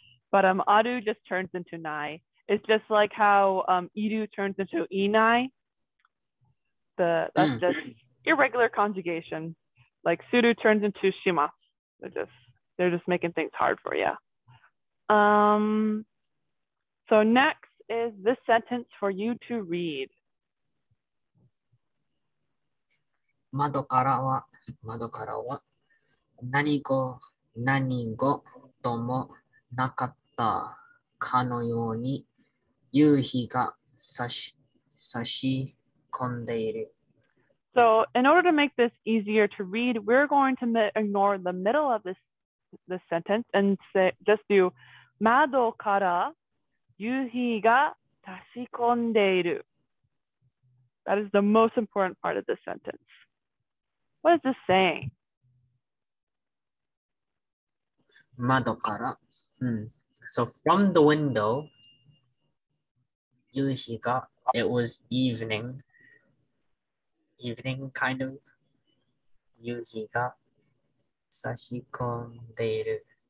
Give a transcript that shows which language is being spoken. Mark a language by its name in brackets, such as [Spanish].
[English] But aru just turns into nai. It's just like how iru turns into inai. That's just irregular conjugation. like sudo turns into shimasu. They're just making things hard for you. So next is this sentence for you to read. [Japanese] 窓からは何事もなかったかのように夕日が差し込んでいる。 [English] So in order to make this easier to read, we're going to ignore the middle of this sentence and say just do [Japanese] 窓から夕日が差し込んでいる. [English] That is the most important part of this sentence. What is this saying? [Japanese] 窓から. [English] So from the window, [Japanese] 夕日が, [English] it was evening. Evening kind of. [Japanese] 夕日が差し込んでいる.